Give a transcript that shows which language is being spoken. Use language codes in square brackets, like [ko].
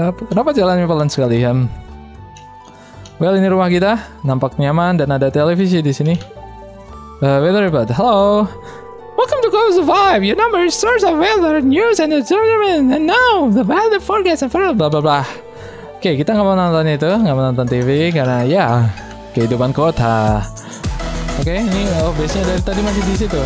[id] Kenapa jalannya pelan sekali? Well, ini rumah kita, nampak nyaman dan ada televisi di sini. [en] Weather report. Hello. Welcome to Coast 5. Your number is source of weather news and entertainment. And now the weather forecast and further blah blah blah. [id] Oke, kita nggak mau nonton itu, nggak mau nonton TV karena ya kehidupan kota. Oke, ini base-nya dari tadi masih di situ.